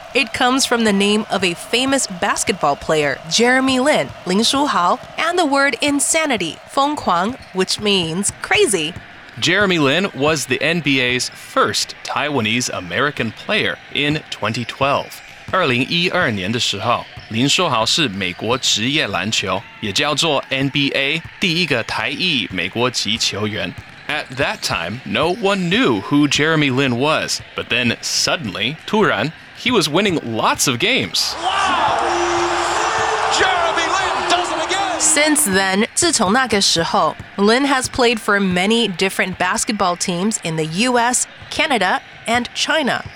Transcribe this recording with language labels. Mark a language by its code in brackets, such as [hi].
[en] It comes from the name of a famous basketball player, Jeremy Lin, 林书豪, and the word insanity, 疯狂, which means crazy. Jeremy Lin was the NBA's first Taiwanese-American player in 2012. [zh] 2012年的时候，林书豪是美国职业篮球，也叫做 NBA 第一个台裔美国籍球员。 [en] At that time, no one knew who Jeremy Lin was, but then suddenly, [zh] 突然, [en] he was winning lots of games. Wow! Jeremy Lin does it again! Since then, [zh] 自从那个时候, [en] Lin has played for many different basketball teams in the US, Canada, and China.